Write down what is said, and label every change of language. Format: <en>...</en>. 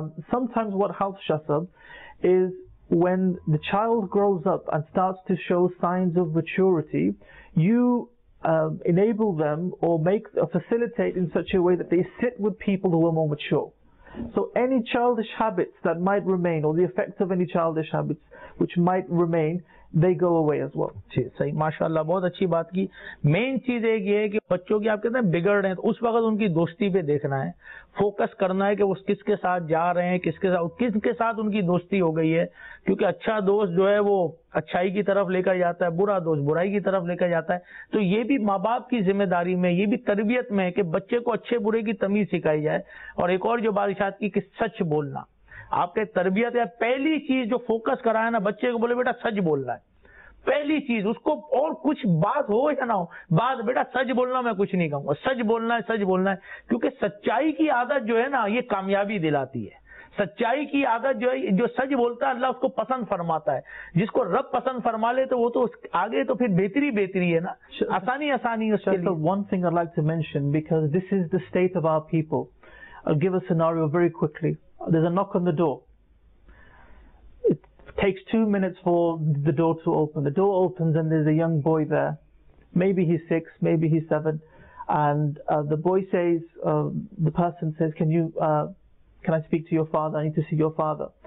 <en>Sometimes what helps, Shasab, is when the child grows up and starts to show signs of maturity, you enable them or facilitate in such a way that they sit with people who are more mature. So any childish habits that might remain, or the effects of any childish habits which might remain, they go away as well.</en> <hi>सही, माशाल्लाह, बहुत अच्छी बात की। Main चीज एक ये है कि बच्चों की आप कहते हैं बिगड़ रहे हैं, तो उस वक्त उनकी दोस्ती पे देखना है, फोकस करना है कि वो किसके साथ जा रहे हैं, किसके साथ उनकी दोस्ती हो गई है, क्योंकि अच्छा दोस्त जो है वो अच्छाई की तरफ लेकर जाता है, बुरा दोस्त बुराई की तरफ लेकर जाता है। तो ये भी माँ बाप की जिम्मेदारी में, ये भी तरबियत में है कि बच्चे को अच्छे बुरे की तमीज सिखाई जाए। और एक और जो बादशाह की कि सच बोलना, आपके तरबियत या पहली चीज जो फोकस कराया ना बच्चे को, बोले बेटा सच बोलना है पहली चीज, उसको और कुछ बात हो या ना हो बात, बेटा सच बोलना, मैं कुछ नहीं कहूंगा, सच बोलना है। क्योंकि सच्चाई की आदत जो है ना ये कामयाबी दिलाती है, सच्चाई की आदत जो है, जो सच बोलता है अल्लाह उसको पसंद फरमाता है, जिसको रब पसंद फरमा ले तो वो तो आगे तो फिर बेहतरी है ना, आसानी</hi> <en>One thing I like to mention because this is the state of our people. I'll give a scenario very quickly. There's a knock on the door. It takes 2 minutes for the door to open. The door opens and there's a young boy there. Maybe he's 6, maybe he's 7. And the boy says, the person says, can I speak to your father? I need to see your father.</en>